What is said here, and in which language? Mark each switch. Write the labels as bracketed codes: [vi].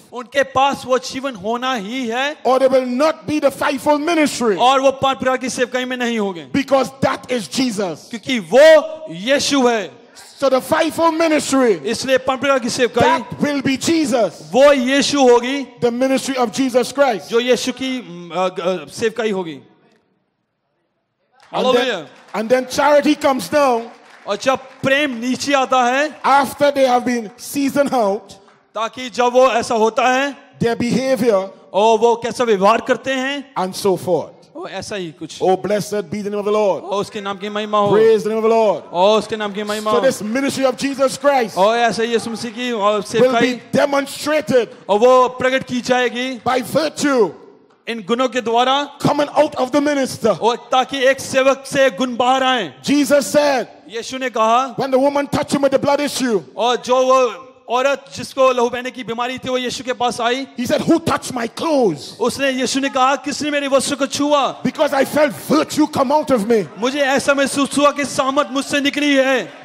[hi] उनके पास वो जीवन होना ही है [en] or they will not be the fivefold ministry [hi] और वो पांच प्रकार की सेवकाई में नहीं होंगे [en] because that is Jesus [hi] क्योंकि वो यीशु है [en] So the fivefold ministry. [hi] इसलिए पांच प्रकार की सेवकाई. [en] That will be Jesus. [hi] वो यीशु होगी. [en] The ministry of Jesus Christ. [hi] जो यीशु की सेवकाई होगी. [en] Hallelujah. And then charity comes down. [hi] और जब प्रेम नीचे आता है. [en] After they have been seasoned out. [hi] ताकि जब वो ऐसा होता है. [en] Their behavior. [hi] और वो कैसा व्यवहार करते हैं. [en] And so forth. [hi] ऐसा ही कुछ [en] O blessed be the name of the Lord [hi] ओ उसके नाम की महिमा हो [en] praise the name of the Lord [hi] ओ उसके नाम की महिमा [en] so this ministry of Jesus Christ [hi] ओ ऐसा यीशु मसीह की और सेवकाई [en] will be demonstrated [hi] और वो प्रकट की जाएगी [en] by virtue [hi] इन गुणों के द्वारा [en] coming out of the minister [hi] और ताकि एक सेवक से गुण बाहर आए [en] Jesus said [hi] यीशु ने कहा [en] when the woman touch him with the blood issue [hi] और जो वो औरत जिसको लहू बहने की बीमारी थी वो यीशु के पास आई [en] He said, Who touched my clothes? [hi] उसने यीशु ने कहा किसने मेरे वस्त्र को छुआ [en] Because I felt virtue come out of me. [hi] मुझे ऐसा महसूस हुआ कि सामर्थ मुझसे निकली है